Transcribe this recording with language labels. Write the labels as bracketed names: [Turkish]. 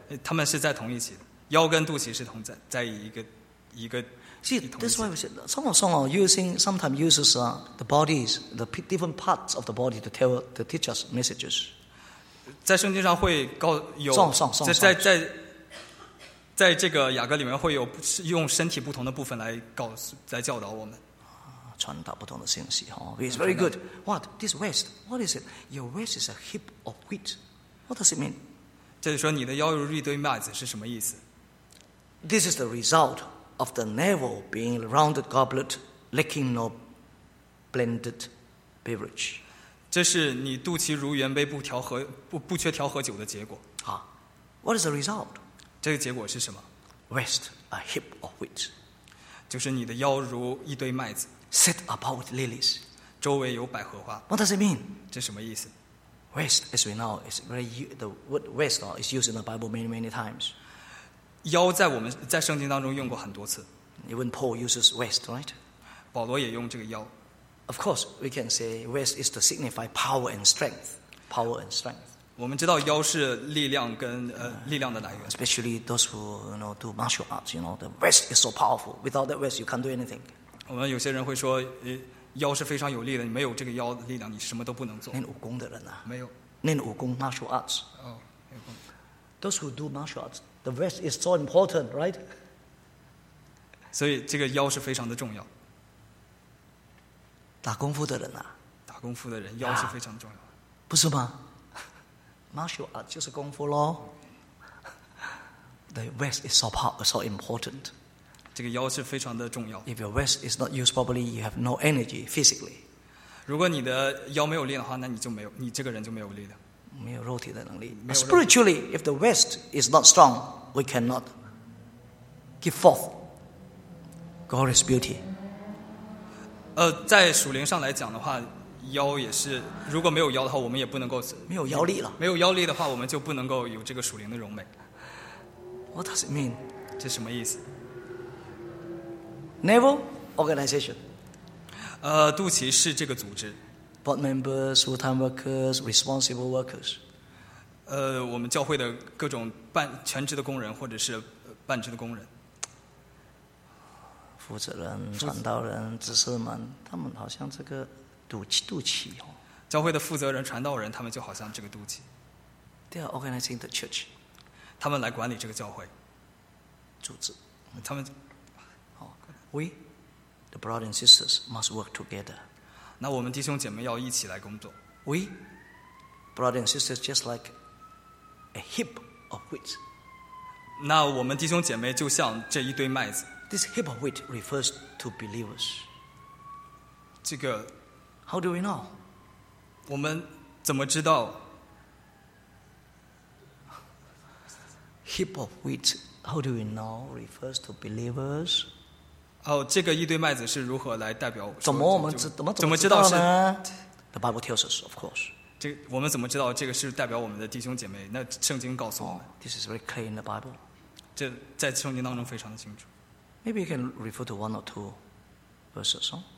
[Chinese] 他们是在同一起的，腰跟肚脐是同在一个。 [English] See, that's why we said sometimes uses the bodies, the different parts of the body to teach us messages. [Chinese] 在圣经上会告有 在在这个雅歌里面会有用身体不同的部分 来教导我们，传达不同的信息。 [English] It's very good. What? This waist. What is it? Your waist is a heap of wheat. What does it mean? [Chinese] 这就说你的腰如一堆麦子是什么意思？ [English] This is the result of the navel being rounded goblet licking no blended beverage. [Chinese] 这是你肚脐如圆杯不调和 不缺调和酒的结果。 [English] What is the result? [Chinese] 这个结果是什么？ [English] Waist, a heap of wheat. [Chinese] 就是你的腰如一堆麦子。 [English] Set about with lilies. [Chinese] 周围有百合花。 [English] What does it mean? [Chinese] 这什么意思？ [English] Waist, as we know, is very, the word waist is used in the Bible many, many times. [Chinese] 腰在我们在圣经当中用过很多次。 [English] Even Paul uses waist, right? [Chinese] 保罗也用这个腰。 [English] Of course, we can say waist is to signify power and strength. Power and strength. [Chinese] 我们知道腰是力量跟力量的来源。 [English] Especially those who you know do martial arts, you know the waist is so powerful. Without that waist, you can't do anything. [Chinese] 我们有些人会说，腰是非常有力的，你没有这个腰的力量，你什么都不能做。练武功的人啊，没有。练武功 martial arts. 哦，练功。 Those who do martial arts, the waist is so important, right? 所以这个腰是非常的重要。打功夫的人啊，打功夫的人腰是非常重要，不是吗？ Martial art 就是功夫咯。 [English] The waist is so powerful, so important. [Chinese] 这个腰是非常的重要。 [English] If your waist is not used properly, you have no energy physically. [Chinese] 如果你的腰没有力的话，那你就没有，你这个人就没有力了。没有肉体的能力。 [English] Spiritually, if the waist is not strong, we cannot give forth glorious beauty. [Chinese] 在属灵上来讲的话。腰也是，如果没有腰的话，我们也不能够没有腰力了。没有腰力的话，我们就不能够有这个属灵的荣美。 [English] What does it mean? [Chinese] 这什么意思 [English] ？Navel organization. [Chinese] 肚脐是这个组织。 [English] Board members, full-time workers, responsible workers. [Chinese] 我们教会的各种全职的工人或者是半职的工人。负责人、传道人、执事们，他们好像这个。肚脐、哦、教会的负责人传道人他们就好像这个肚脐 [English] They are organizing the church [Chinese] 他们来管理这个教会组织他们 [English] We the brothers and sisters must work together [Chinese] 那我们弟兄姐妹要一起来工作 [English] We brothers and sisters just like a heap of wheat [Chinese] 那我们弟兄姐妹就像这一堆麦子 [English] This heap of wheat refers to believers [Chinese] 这个 [English] How do we know? [Chinese] 我们怎么知道 [English] ？Heap of wheat. How do we know? Refers to believers. [Chinese] 哦，这个一堆麦子是如何来代表？怎么我们怎么知道 [English] 呢 ？The Bible tells us, of course. [Chinese] 这我们怎么知道这个是代表我们的弟兄姐妹？那圣经告诉我们。 [English] Oh, this is very clear in the Bible. [Chinese] 这在圣经当中非常的清楚。 [English] Maybe you can refer to one or two verses.